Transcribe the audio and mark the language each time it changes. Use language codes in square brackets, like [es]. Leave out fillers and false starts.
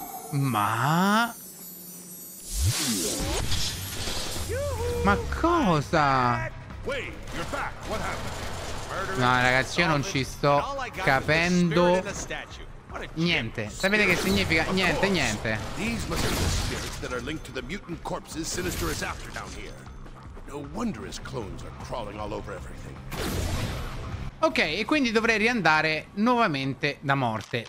[it] Ma? Ma cosa? [en] Wait, you're back. What happened? [it] No, ragazzi, io non ci sto capendo niente. Sapete che significa? Niente, niente. [en] These must be the spirits that are linked to the mutant corpses Sinister is after down here. No wonder his clones are crawling all over everything. [it] Ok, e quindi dovrei riandare nuovamente da morte.